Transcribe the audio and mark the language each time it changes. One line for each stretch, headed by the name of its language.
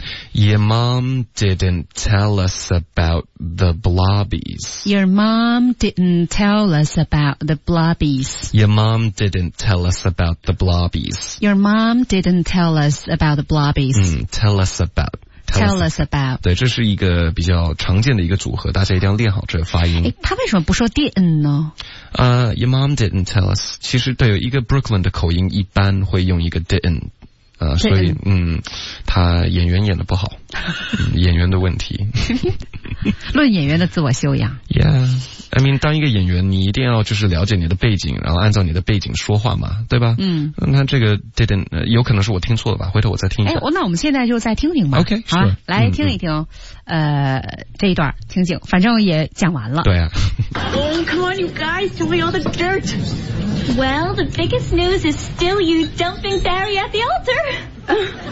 English: Your mom didn't tell us about the blobbies. Your mom didn't tell us about the blobbies. Your mom didn't tell us about the blobbies. Your mom didn't tell us about the blobbies. Tell us about. Tell us about
Chinese: 对，这是一个比较常见的一个组合，大家一定要练好这个发音。他为什么不说 didn't 呢？
English: Your mom didn't tell us。
Chinese: 其实对，有一个 Brooklyn 的口音一般会用一个 didn't， 所以他演员演得不好。演员的问题。论演员的自我修养。
English: Yeah, I mean,
Chinese: 当一个演员你一定要就是了解你的背景，然后按照你的背景说话嘛，对吧？那这个 didn't、有可能是我听错了吧，回头我再听一下。那我们现在就再听听吧。
English: OK,
Chinese: 好、
English: sure.
Chinese: 来听一听、这一段听听，反正也讲完了。对啊。
English: Oh, come on, you guys, tell me all the dirt. Well, the biggest news is still you dumping Barry at the altar.